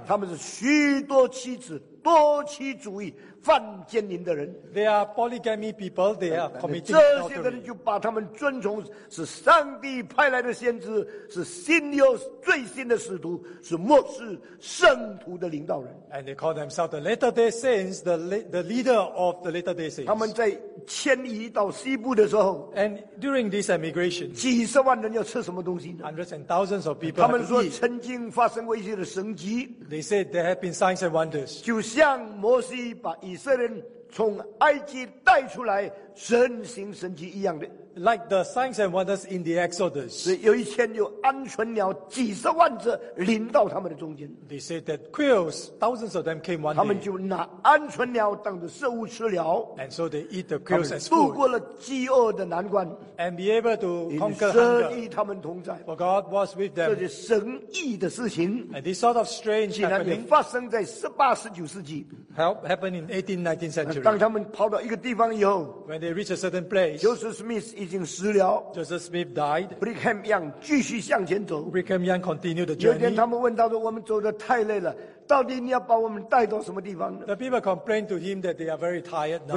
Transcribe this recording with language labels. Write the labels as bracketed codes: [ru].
[zh] 他们是许多妻子。多妻主义犯奸淫的人 [en] They are polygamy people They are committing adultery [zh] 这些的人就把他们尊崇是上帝派来的先知是新又最新的使徒是末世圣徒的领导人 [en] And they call themselves the Latter Day Saints the leader of the Latter Day Saints [zh] 他们在迁移到西部的时候 [en] And during this emigration [zh] 几十万人要吃什么东西呢 [en] Hundreds and thousands of people [zh] 他们说曾经发生过一些的神迹 [en] They said there have been signs and wonders [zh] 就像摩西把以色列人从埃及带出来神行神迹一样的 [en] like the signs and wonders in the Exodus [zh] 所以有一天有鹌鹑鸟几十万只临到他们的中间 [en] they said that quails thousands of them came one day [zh] 他们就拿鹌鹑鸟当作食物吃了 [en] and so they eat the quails as food [zh] 度过了饥饿的难关 [en] and be able to conquer hunger [zh] 神与他们同在 [en] for God was with them [zh] 这是神意的事情 [en] and this sort of strange happening [zh] 竟然发生在十八十九世纪 [en] happened in 18th 19th century [zh] 当他们跑到一个地方以后 [en] whenThey reach a certain place. [zh] Joseph Smith 已经死了 [en] Joseph Smith died. [zh] Brigham Young 继续向前走 [en] Brigham Young continued the journey. [zh] 有一天他们问他说我们走得太累了到底你要把我们带到什么地方呢 [en] The people complained to him that they are very tired now.